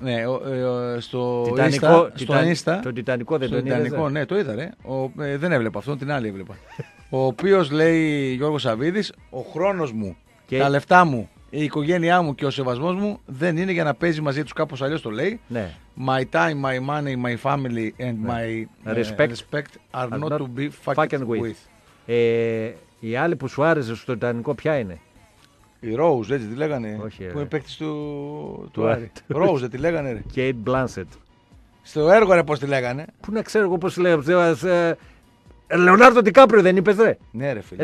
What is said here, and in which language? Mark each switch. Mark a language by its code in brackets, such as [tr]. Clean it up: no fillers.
[el] Ναι, στο Τιτανικό, στο Insta. Το Τιτανικό δεν τον Τιτανικό, ναι, το είδα, ρε. Δεν έβλεπα αυτόν, την άλλη έβλεπα. Ο οποίος λέει, Γιώργος Σαββίδης, ο χρόνος μου, τα λεφτά μου, η οικογένειά μου και ο σεβασμός μου δεν είναι για να παίζει μαζί τους, κάπως αλλιώς το λέει. Ναι. [en] My time, my money, my family and my respect are not to be fucking with. [el] Η άλλη που σου άρεσε στο Τιτανικό ποια είναι? Η Rose, έτσι τη λέγανε. Όχι, που είναι παίκτης του Άρη. Rose, δεν τη λέγανε. Kate Blanchett. Στο έργο, ρε, πώς τη λέγανε. Πού να ξέρω εγώ πώς τη λέγανε. Λεωνάρντο Ντικάπριο δεν είπες, ρε. Ναι, ρε, φίλε.